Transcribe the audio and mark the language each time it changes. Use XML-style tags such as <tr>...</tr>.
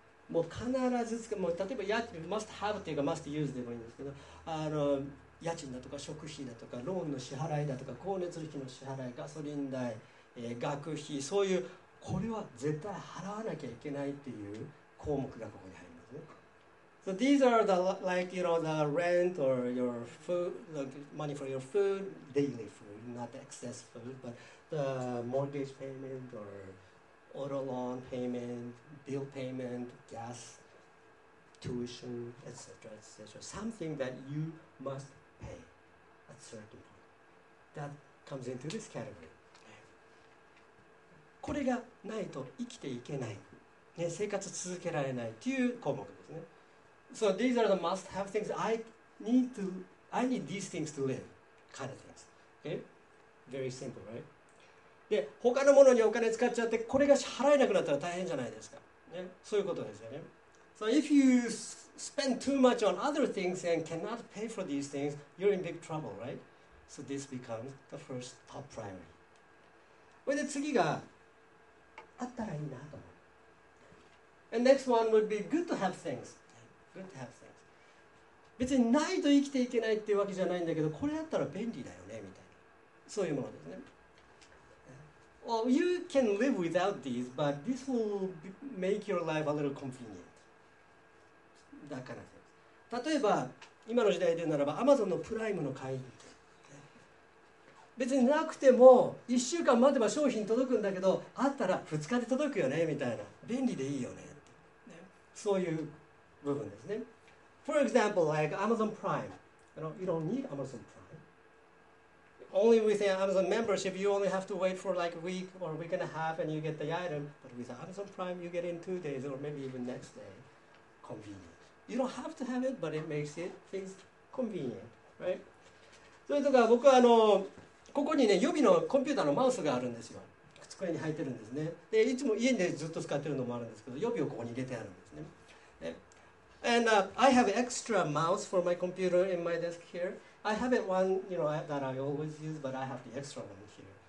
<ja>もう必ず使う、もう例えば家賃、</ja> <en>must have</en> <ja>というか</ja> <en>must use</en> <ja>でもいいんですけど、あの家賃だとか食費だとかローンの支払いだとか光熱費の支払い、ガソリン代、学費、そういうこれは絶対払わなきゃいけないっていう項目がここに入りますね。</ja> <en>So these are the like you know the rent or your food, like money for your food, daily food, not excess food, but the mortgage payment orauto loan payment, bill payment, gas, tuition, etc., etc. Something that you must pay at certain point. That comes into this category.</en> <ja>これがないと生きていけない。ね、生活続けられないという項目ですね。</ja> <en>So these are the must have things. I need these things to live kind of things. Okay? Very simple, right?</en> <ja>で、他のものにお金使っちゃって、これが払えなくなったら大変じゃないですか。ね、そういうことですよね。</ja> <en>So if you spend too much on other things and cannot pay for these things, you're in big trouble, right? So this becomes the first top priority.</en> <ja>これで次があったらいいなと思う。</ja> <en>And next one would be good to have things. Good to have things.</en> <ja>別にないと生きていけないっていうわけじゃないんだけど、これだったら便利だよねみたいな。そういうものですね。</ja> <en>Well, you can live without these, but this will make your life a little convenient.</en> <ja>だからです。例えば、今の時代で言うならば、Amazon のプライムの会員。別になくても、1週間待てば商品届くんだけど、あったら2日で届くよね、みたいな。便利でいいよね。ね、そういう部分ですね。</ja> <en>For example, like Amazon Prime. You don't need Amazon Prime. Only with an Amazon membership, you only have to wait for like a week or a week and a half and you get the item. But with Amazon Prime, you get it in 2 days or maybe even next day. Convenient. You don't have to have it, but it makes it things convenient, right?</en> <ja>それとか僕はここにね、予備のコンピューターのマウスがあるんですよ。机に入ってるんですね。で、いつも家でずっと使ってるのもあるんですけど、予備をここに入れてあるんですね。</ja> <en>ね and I have extra mouse for my computer in my desk here. I have one, you know, that I always use, but I have the extra one here.</en>